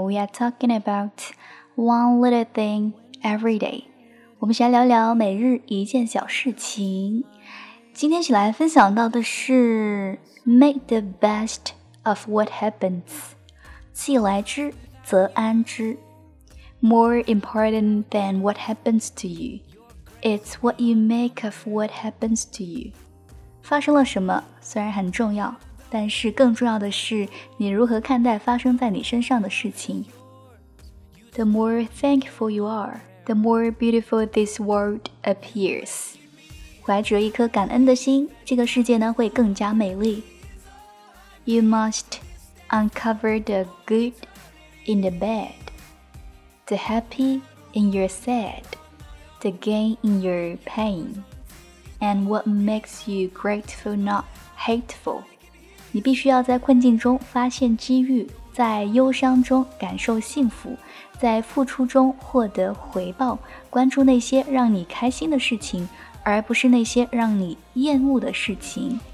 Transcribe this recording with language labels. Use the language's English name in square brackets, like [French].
[English] We are talking about one little thing every day. [Chinese] 我们先来聊聊每日一件小事情。今天起来分享到的是 Make the best of what happens. 既来之则安之。 [English] More important than what happens to you, it's what you make of what happens to you. [Chinese] 发生了什么虽然很重要，但是更重要的是你如何看待发生在你身上的事情。 [English] The more thankful you are, the more beautiful this world appears. [Chinese] 怀着一颗感恩的心，这个世界呢会更加美丽。 [English] You must uncover the good in the bad. The happy in your sad, the gain in your pain, and what makes you grateful not hateful. [Chinese] 你必须要在困境中发现机遇，在忧伤中感受幸福，在付出中获得回报。关注那些让你开心的事情，而不是那些让你厌恶的事情。